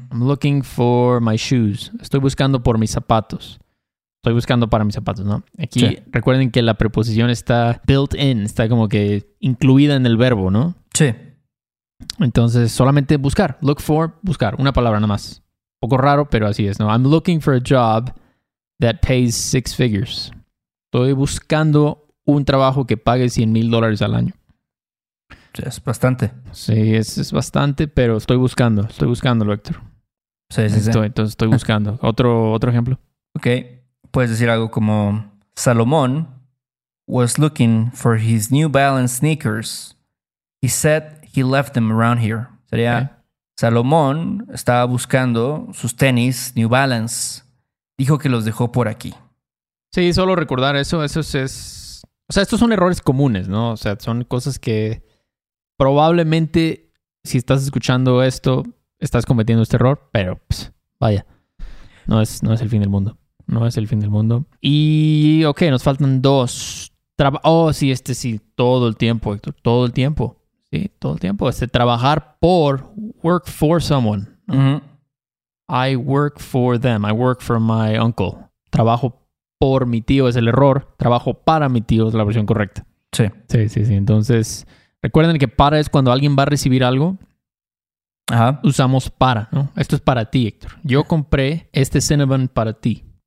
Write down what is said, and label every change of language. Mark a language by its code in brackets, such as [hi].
[en] I'm looking for my shoes. [es] Estoy buscando por mis zapatos. Estoy buscando para mis zapatos, ¿no? Aquí, sí. Recuerden que la preposición está [en] built in. [es] Está como que incluida en el verbo, ¿no? Sí. Entonces, solamente buscar. Look for, buscar. Una palabra nada más. Un poco raro, pero así es, ¿no? [en] I'm looking for a job that pays 6 figures. [es] Estoy buscando un trabajo que pague $100,000 al año. Sí, es bastante. Sí, es bastante, pero estoy buscando. Estoy buscándolo, Héctor. Sí. Entonces, estoy buscando. Otro ejemplo. Ok. Puedes decir algo como Salomón [en] was looking for his New Balance sneakers. He said he left them around here. [es] Sería, okay. Salomón estaba buscando sus tenis New Balance. Dijo que los dejó por aquí. Sí, solo recordar eso. Eso es... O sea, estos son errores comunes, ¿no? O sea, son cosas que probablemente si estás escuchando esto, estás cometiendo este error, pero pues, vaya. No es el fin del mundo. No es el fin del mundo. Y, ok, nos faltan dos. Todo el tiempo, Héctor. Todo el tiempo. Sí, todo el tiempo. Trabajar por, [en] work for someone. Mm-hmm. I work for them. I work for my uncle. [es] Trabajo por mi tío es el error. Trabajo para mi tío es la versión correcta. Sí. Sí, sí, sí. Entonces, recuerden que para es cuando alguien va a recibir algo. Ajá. Usamos para, ¿no? Esto es para ti, Héctor. Yo compré este Cinnabon para ti.